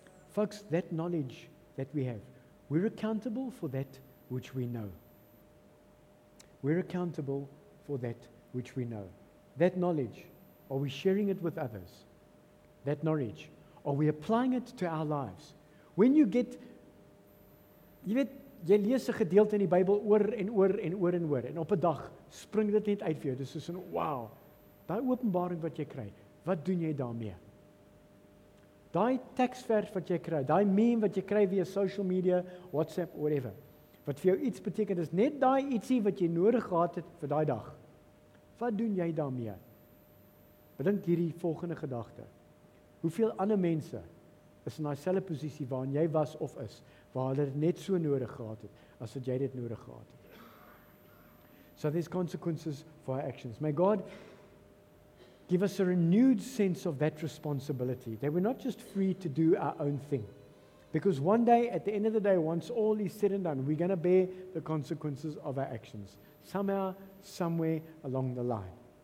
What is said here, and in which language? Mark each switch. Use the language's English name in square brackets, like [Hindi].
[English] Folks, that knowledge that we have, we're accountable for that which we know. We're accountable for that which we know. That knowledge, are we sharing it with others? That knowledge, are we applying it to our lives? When you get, [Afrikaans] you weet, jy lees 'n gedeelte in die Bybel oor en oor en oor en oor, en op 'n dag spring dit net uit vir jou, dis soos 'n wow. Daai openbaring wat jy kry, wat doen jy daarmee? Daai teksvers wat jy kry, daai meme wat jy kry via social media, WhatsApp, whatever, wat vir jou iets beteken, is net daai ietsie wat jy nodig gehad het vir daai dag. Wat doen jy daarmee? Bedink hierdie volgende gedagte. Hoeveel ander mense is in daai selfde posisie waarin jy was of is, waar hulle dit net so nodig gehad het, as wat jy dit nodig gehad het? [English] So there's consequences for our actions. May God give us a renewed sense of that responsibility, that we're not just free to do our own thing. Because one day, at the end of the day, once all is said and done, we're going to bear the consequences of our actions. Somehow, somewhere along the line.